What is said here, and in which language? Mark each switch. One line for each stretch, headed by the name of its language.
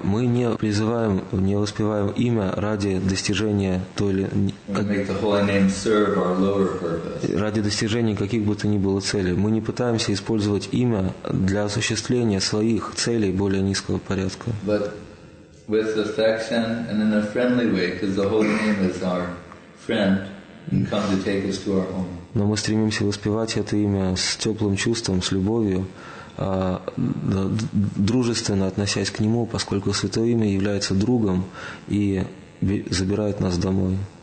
Russian: Мы не призываем, не воспеваем имя ради достижения той или ради достижения каких бы то ни было целей. Мы не пытаемся использовать имя для осуществления своих целей более низкого порядка.
English: With affection and in a friendly way, because the holy name is our friend, and come to take us to our home.
Russian: Но мы стремимся воспевать это имя с теплым чувством, с любовью, дружественно относясь к нему, поскольку Святое Имя является другом и забирает нас домой.